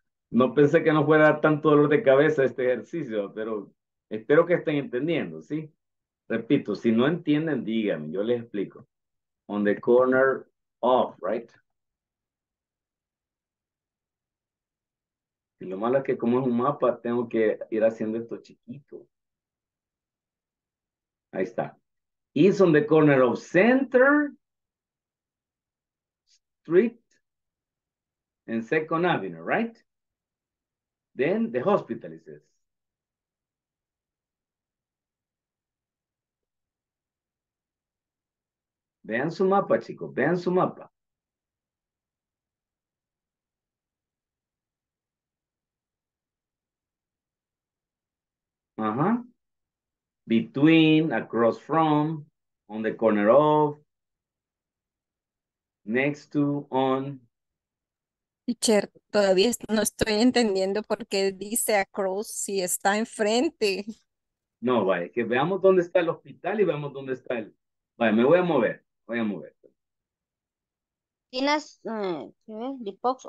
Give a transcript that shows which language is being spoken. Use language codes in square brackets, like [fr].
[es] No pensé que no fuera tanto dolor de cabeza este ejercicio, pero espero que estén entendiendo, ¿sí? Repito, si no entienden, díganme, yo les explico. [en] On the corner off, right? [es] Y lo malo es que como es un mapa, tengo que ir haciendo esto chiquito. Ahí está. [en] It's on the corner of Center Street and Second Avenue, right? Then the hospital is this. [es] Vean su mapa, chicos. Vean su mapa. Ajá. [en] Between, across from, on the corner of, next to, on. [es] Teacher, todavía no estoy entendiendo por qué dice across si está enfrente. No, vaya, que veamos dónde está el hospital y veamos dónde está el... Vaya, me voy a mover. Voy a mover. ¿Tienes el post office?